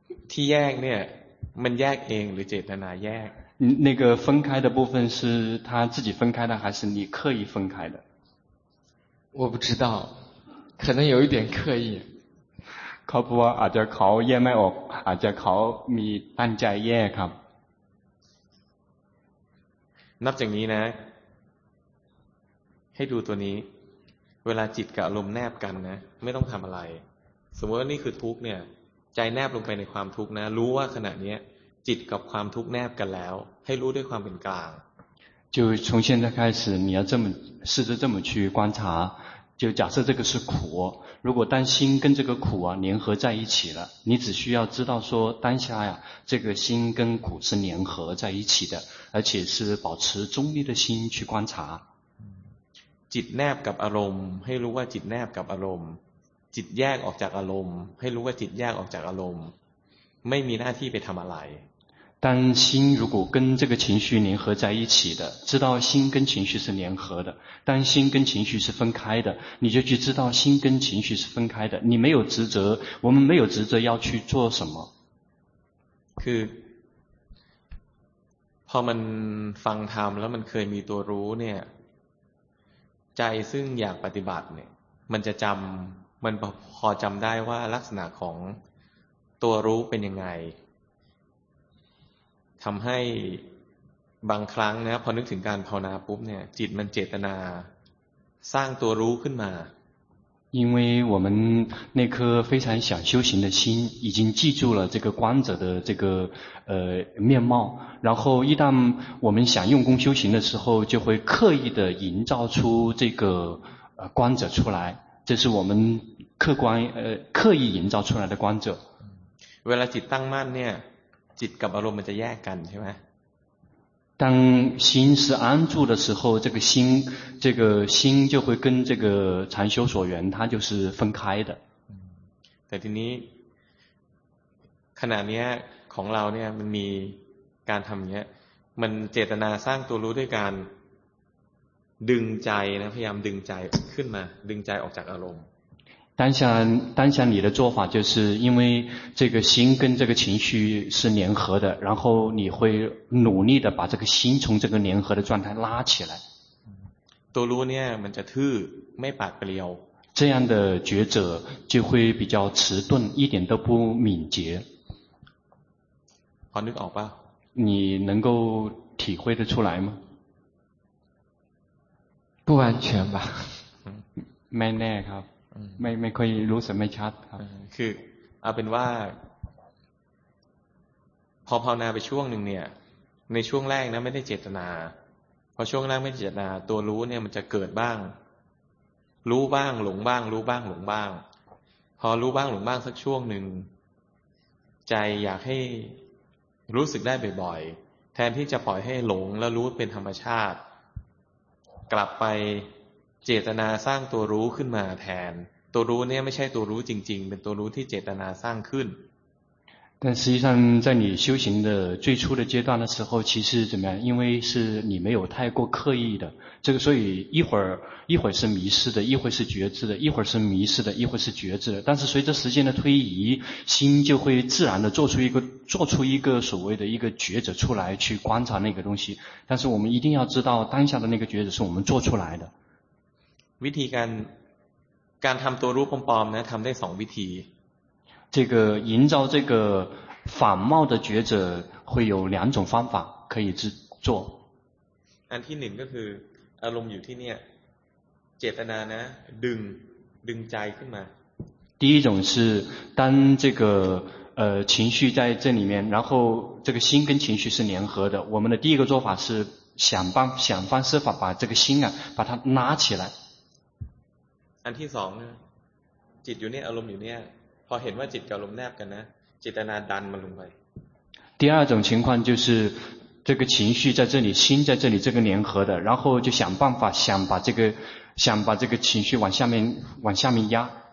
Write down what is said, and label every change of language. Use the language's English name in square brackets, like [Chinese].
[Thai] ที่แยกเนี่ยมันแยกเองหรือเจตนาแยก [Chinese] 那个分开的部分是他自己分开的还是你刻意分开的我不知道可能有一点刻意 [Thai] เขาบอกว่าอาจจะเขาแยกไม่ออกอาจจะเขามีตั้งใจแยกครับ นับจากนี้นะให้ดูตัวนี้เวลาจิตกับอารมณ์แนบกันนะไม่ต้องทำอะไรสมมติว่านี่คือทุกข์เนี่ยใจแนบลงไปในความทุกข์นะรู้ว่าขณะนี้จิตกับความทุกข์แนบกันแล้วให้รู้ด้วยความเป็นกลาง [Chinese] 就从现在开始你要这么试着这么去观察就假设这个是苦如果当心跟这个苦啊联合在一起了你只需要知道说当下呀这个心跟苦是联合在一起的而且是保持中立的心去观察 [Thai] จิตแนบกับอารมณ์ให้รู้ว่าจิตแนบกับอารมณ์จิตแยกออกจากอารมณ์ให้รู้ว่าจิตแยกออกจากอารมณ์ไม่มีหน้าที่ไปทำอะไร [Chinese] 当心如果跟这个情绪联合在一起的知道心跟情绪是联合的当心跟情绪是分开的你就去知道心跟情绪是分开的你没有职责我们没有职责要去做什么 [Thai] คือพอมันฟังธรรมแล้วมันเคยมีตัวรู้เนี่ยใจซึ่งอยากปฏิบัติเนี่ยมันจะจำมันพอจำได้ว่าลักษณะของตัวรู้เป็นยังไงทำให้บางครั้งนะพอนึกถึงการภาวนาปุ๊บเนี่ยจิตมันเจตนาสร้างตัวรู้ขึ้นมา [Chinese] 因为我们那颗非常想修行的心已经记住了这个观者的这个面貌然后一旦我们想用功修行的时候就会刻意的营造出这个观者出来这是我们客观刻意营造出来的观者 [Thai] เวลาจิตตั้งมั่นเนี่ยจิตกับอารมณ์มันจะแยกกันใช่ไหม [Chinese] 当心是安住的时候这个心就会跟这个禅修所缘它就是分开的 [Thai] แต่ทีนี้ขณะนี้ของเราเนี่ยมันมีการทำอย่างเงี้ยมันเจตนาสร้างตัวรู้ด้วยการดึงใจนะพยายามดึงใจขึ้นมาดึงใจออกจากอารมณ์ [Chinese] 当下你的做法就是因为这个心跟这个情绪是联合的然后你会努力的把这个心从这个联合的状态拉起来 [Thai] ตัวรู้เนี่ยมันจะทื่อไม่ปาดเปรียว [Chinese] 这样的觉者就会比较迟钝一点都不敏捷 [Thai] พอนึกออกป่ะ [Chinese] 你能够体会得出来吗不完全吧 [Thai] ไม่แน่ครับไม่ค่อยรู้สึกไม่ชัดครับ คือเอาเป็นว่าพอภาวนาไปช่วงหนึ่งเนี่ยในช่วงแรกนะไม่ได้เจตนาพอช่วงแรกไม่เจตนาตัวรู้เนี่ยมันจะเกิดบ้างรู้บ้างหลงบ้างรู้บ้างหลงบ้างพอรู้บ้างหลงบ้างสักช่วงหนึ่ง ใจอยากให้รู้สึกได้บ่อยๆแทนที่จะปล่อยให้หลงแล้วรู้เป็นธรรมชาติกลับไปเจตนาสร้างตัวรู้ขึ้นมาแทนตัวรู้เนี่ยไม่ใช่ตัวรู้จริงๆเป็นตัวรู้ที่เจตนาสร้างขึ้น [Chinese] 但实际上在你修行的最初的阶段的时候其实怎么样因为是你没有太过刻意的这个所以一会儿是迷失的一会儿是觉知的一会儿是迷失的一会儿是觉知的但是随着时间的推移心就会自然的做出一个所谓的一个觉者出来去观察那个东西但是我们一定要知道当下的那个觉者是我们做出来的 [Thai] วิธีการทำตัวรู้ปลอมๆนะทำได้สองวิธี [Chinese] 这个营造这个反冒的觉者会有两种方法可以去做。 [Thai] อันที่หนึ่งก็คืออารมณ์อยู่ที่เนี่ยเจตนานะดึงใจขึ้นมา。 [Chinese] 第一种是当这个情绪在这里面，然后这个心跟情绪是联合的。我们的第一个做法是想方设法把这个心啊把它拉起来。 [Thai] อันที่สองเนี่ยจิตอยู่เนี่ยอารมณ์อยู่เนี่ยพอเห็นว่าจิตกับอารมณ์แนบกันนะเจตนาดันมันลงไป。 [Chinese] 第二种情况就是这个情绪在这里，心在这里，这个联合的，然后就想办法想把这个情绪往下面压。